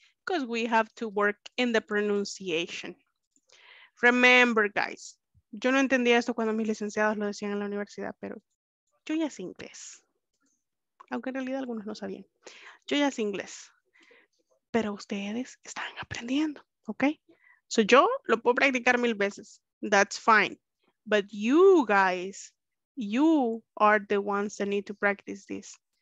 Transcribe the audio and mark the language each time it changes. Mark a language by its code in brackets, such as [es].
[en] Because we have to work in the pronunciation. Remember, guys. [es] Yo no entendía esto cuando mis licenciados lo decían en la universidad, pero yo ya sé inglés. Aunque en realidad algunos no sabían. Yo ya sé inglés. Pero ustedes están aprendiendo. Okay, so yo lo puedo practicar mil veces. [en] That's fine. But you guys, you are the ones that need to practice this.